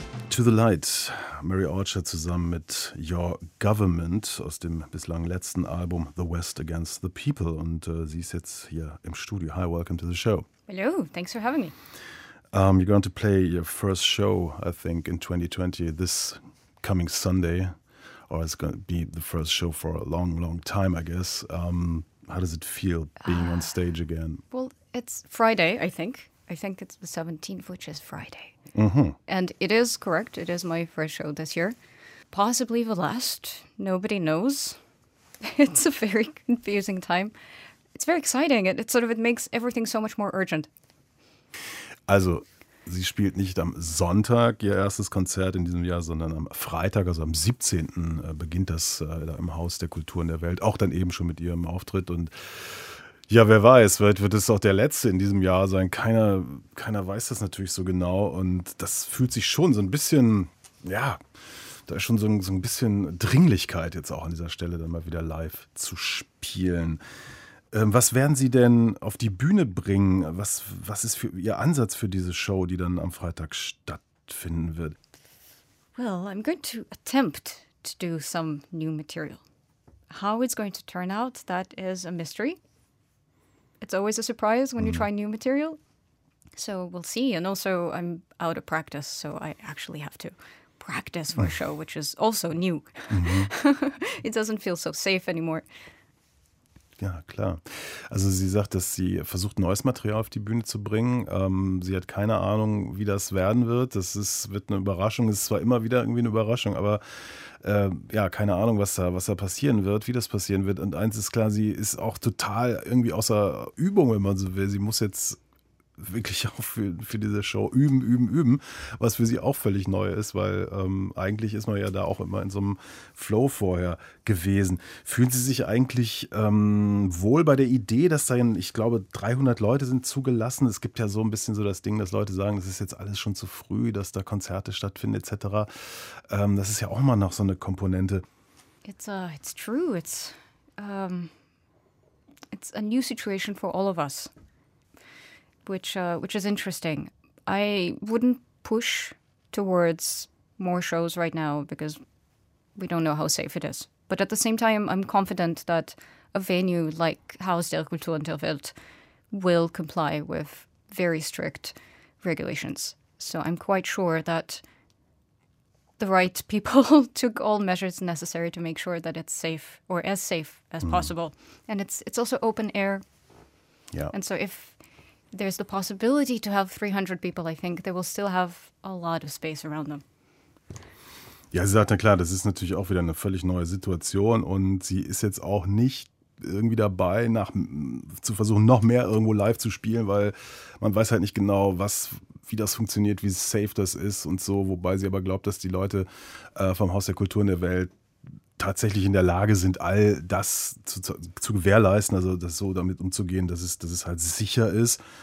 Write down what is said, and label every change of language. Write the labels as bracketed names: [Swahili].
[German] To the Light, Mary Orchard zusammen mit Your Government aus dem bislang letzten Album The West Against the People. Und sie ist jetzt hier im Studio. [English] Hi, welcome to the show. Hello, thanks for having me. You're going to play your first show, I think, in 2020, this coming Sunday. Or it's going to be the first show for a long, long time, I guess. How does it feel being on stage again? Well, it's Friday, I think. I think it's the 17th, which is Friday. Mm-hmm. And it is correct. It is my first show this year. Possibly the last. Nobody knows. It's a very confusing time. It's very exciting. It makes everything so much more urgent. [German] Also, sie spielt nicht am Sonntag ihr erstes Konzert in diesem Jahr, sondern am Freitag, also am 17. Beginnt das da im Haus der Kulturen der Welt. Auch dann eben schon mit ihrem Auftritt. Und ja, wer weiß, vielleicht wird es auch der letzte in diesem Jahr sein. Keiner weiß das natürlich so genau und das fühlt sich schon so ein bisschen, ja, da ist schon so ein bisschen Dringlichkeit jetzt auch an dieser Stelle, dann mal wieder live zu spielen. Was werden Sie denn auf die Bühne bringen? Was ist für Ihr Ansatz für diese Show, die dann am Freitag stattfinden wird? [English] Well, I'm going to attempt to do some new material. How it's going to turn out, that is a mystery. It's always a surprise when you try new material. So we'll see. And also, I'm out of practice, so I actually have to practice for a show, which is also new. Mm-hmm. It doesn't feel so safe anymore. [German] Ja, klar. Also sie sagt, dass sie versucht, neues Material auf die Bühne zu bringen. Sie hat keine Ahnung, wie das werden wird. Wird eine Überraschung. Es ist zwar immer wieder irgendwie eine Überraschung, aber ja, keine Ahnung, was da passieren wird, wie das passieren wird. Und eins ist klar, sie ist auch total irgendwie außer Übung, wenn man so will. Sie muss jetzt wirklich auch für diese Show üben, üben, üben, was für sie auch völlig neu ist, weil eigentlich ist man ja da auch immer in so einem Flow vorher gewesen. Fühlen Sie sich eigentlich wohl bei der Idee, dass da, ich glaube, 300 Leute sind zugelassen? Es gibt ja so ein bisschen so das Ding, dass Leute sagen, das ist jetzt alles schon zu früh, dass da Konzerte stattfinden etc. Das ist ja auch immer noch so eine Komponente. [English] It's true. It's a new situation for all of us. Which is interesting. I wouldn't push towards more shows right now because we don't know how safe it is. But at the same time, I'm confident that a venue like Haus der Kultur in der Welt will comply with very strict regulations. So I'm quite sure that the right people took all measures necessary to make sure that it's safe, or as safe as possible. And it's also open air. Yeah. And so if there's the possibility to have 300 people, I think they will still have a lot of space around them. [German] Ja, sie sagt, na klar, das ist natürlich auch wieder eine völlig neue Situation und sie ist jetzt auch nicht irgendwie dabei, zu versuchen, noch mehr irgendwo live zu spielen, weil man weiß halt nicht genau, wie das funktioniert, wie safe das ist und so, wobei sie aber glaubt, dass die Leute vom Haus der Kultur in der Welt tatsächlich in der Lage sind, all das zu gewährleisten, also das so damit umzugehen, dass es halt sicher ist.